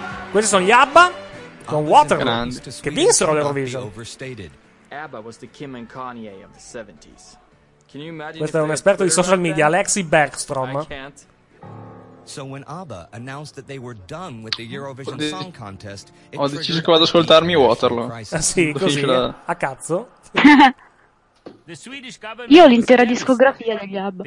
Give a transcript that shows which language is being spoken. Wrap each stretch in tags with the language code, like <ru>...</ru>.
<it>Questi sono gli ABBA con Waterloo che vinsero l'Eurovision.</it> <en>ABBA was the Kim and Kanye of the 70s. Can you imagine?</en> <it>Questo è un esperto di social media, Alexi Bergstrom.</it> <en>So when ABBA announced that they were done with the Eurovision Song Contest,</en> <it>ho deciso che vado ad ascoltarmi</it> <en>Waterloo.</en> <it>Sì, così a cazzo. Io ho l'intera discografia degli ABBA.</it>